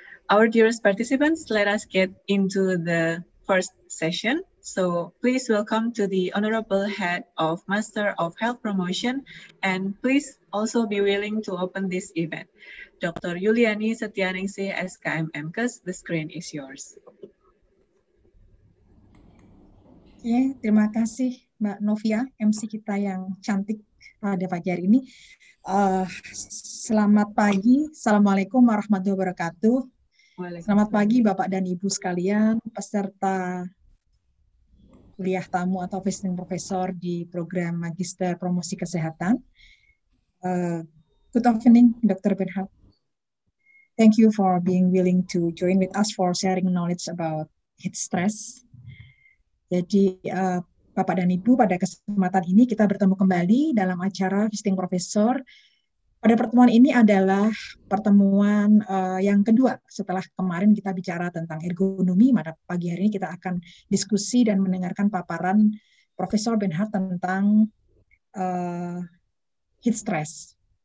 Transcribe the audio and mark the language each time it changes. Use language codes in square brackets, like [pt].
[en] Our dearest participants, let us get into the first session. So please welcome to the Honorable Head of Master of Health Promotion, and please also be willing to open this event. Dr. Yuliani Setianingsi, SKM MKes, the screen is yours. [id] Ya, terima kasih Mbak Novia, MC kita yang cantik pada pagi hari ini. Selamat pagi, Assalamualaikum warahmatullahi wabarakatuh. Selamat pagi Bapak dan Ibu sekalian, peserta kuliah tamu atau visiting professor di program Magister Promosi Kesehatan. [en] Good evening, Dr. Bernhard. Thank you for being willing to join with us for sharing knowledge about heat stress. Jadi [id] Bapak dan Ibu, pada kesempatan ini kita bertemu kembali dalam acara Visiting Professor. Pada pertemuan ini adalah pertemuan yang kedua setelah kemarin kita bicara tentang ergonomi. Pada pagi hari ini kita akan diskusi dan mendengarkan paparan Profesor Benhart tentang heat stress.